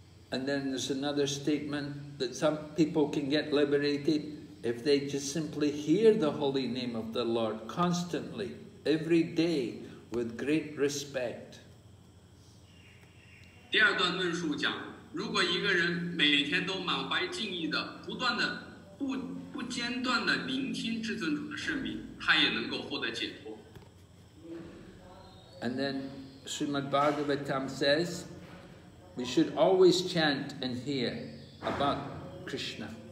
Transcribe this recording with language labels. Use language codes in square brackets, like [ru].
[en] And then there's another statement that some people can get liberated if they just simply hear the holy name of the Lord constantly, every day, with great respect. [zh] 第二段论述讲，如果一个人每天都满怀敬意的、不断的、不间断的聆听至尊主的圣名，他也能够获得解脱。 [en] And then Srimad Bhagavatam says, we should always chant and hear about Krishna.